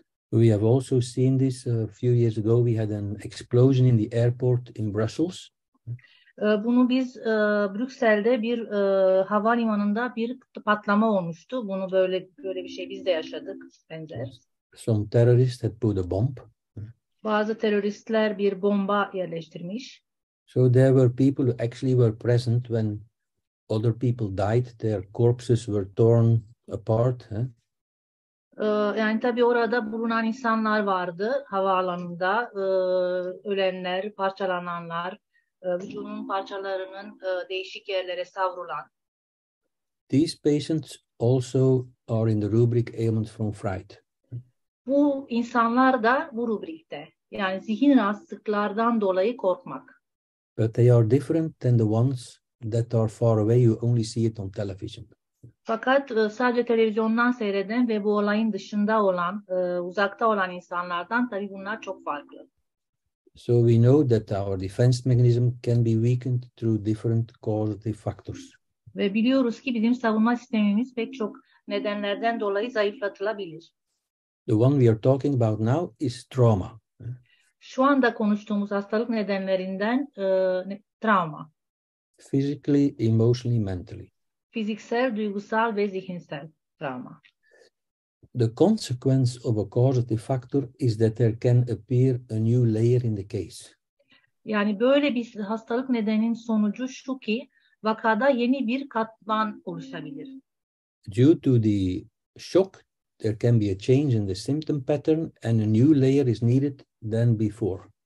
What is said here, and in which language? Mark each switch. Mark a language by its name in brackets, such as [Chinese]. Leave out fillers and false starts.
[English] We have also seen this a few years ago. We had an explosion in the airport in Brussels. [Turkish] Bunu biz Brüksel'de bir havalimanında bir patlama olmuştu. Bunu böyle bir şey biz de yaşadık benzer. [English] Some terrorists had put a bomb. [Turkish] Bazı teröristler bir bomba yerleştirmiş. [English] So there were people who actually were present when other people died. Their corpses were torn apart. [Turkish] Yani tabii orada bulunan insanlar vardı havaalanında. Ölenler, parçalananlar. Vücudunun parçalarının değişik yerlere savrulan. [English] These patients also are in the rubric ailments from fright. [Turkish] Bu insanlar da bu rubrikte. Yani zihin rahatsızlıklardan dolayı korkmak. [English] But they are different than the ones that are far away. You only see it on television. [Turkish] Fakat sadece televizyondan seyreden ve bu olayın dışında olan, uzakta olan insanlardan tabii bunlar çok farklı. [English] So we know that our defense mechanism can be weakened through different causative factors. [Turkish] Ve biliyoruz ki bizim savunma sistemimiz pek çok nedenlerden dolayı zayıflatılabilir. [English] The one we are talking about now is trauma. [Turkish] Şu anda konuştuğumuz hastalık nedenlerinden travma. [English] Physically, emotionally, mentally. [Turkish] Fiziksel, duygusal ve zihinsel. trauma. [English] The consequence of a causative factor is that there can appear a new layer in the case. [Turkish] Yani böyle bir hastalık nedeninin sonucu şu ki vakada yeni bir katman oluşabilir. [English] Due to the shock, there can be a change in the symptom pattern and a new layer is needed than before.